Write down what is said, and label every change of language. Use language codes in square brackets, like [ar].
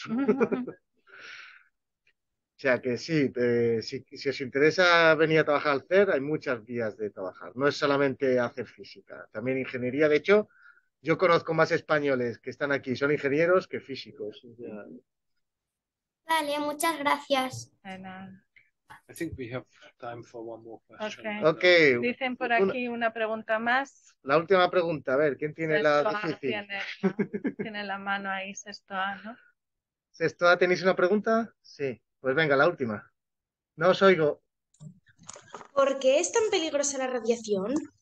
[es] O sea que sí, si os interesa venir a trabajar al CERN, hay muchas vías de trabajar. No es solamente hacer física, también ingeniería. De hecho, yo conozco más españoles que están aquí, son ingenieros que físicos. Vale, muchas gracias. [en] I think we have time for one more question. Okay. Okay. [es] Dicen por aquí una pregunta más. La última pregunta, a ver, ¿quién tiene la Sestoa difícil? tiene la mano ahí, Sestoa, ¿no? ¿Sestoa, tenéis una pregunta? Sí, pues venga, la última. No os oigo. ¿Por qué es tan peligrosa la radiación?